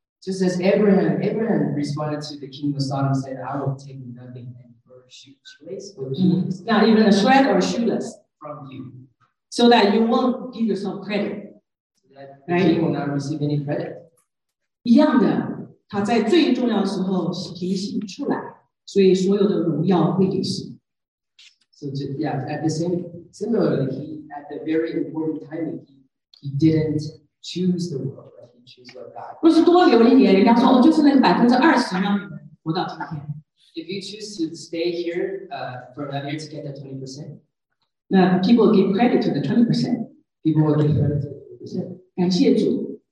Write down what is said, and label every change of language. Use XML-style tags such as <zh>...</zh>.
<en>Just as Abraham responded to the king of Sodom and said, I will take nothing and for shoeless, not even a shred or shoeless from you. So that you won't give yourself credit. So that the king will not receive any credit.</en> <zh>一样的,他在最重要的时候提醒出来,所以所有的荣耀会给神。</zh> <en>So just, yeah, at the same, similarly, he, at the very important time, he didn't choose the world.</en> <zh>若是多留一年，人家说哦，就是那个20%让你们活到今天。</zh> <en>If you choose to stay here, for another year to get the 20%, 那 people give credit to the 20%. People will give credit to the 20%.</en>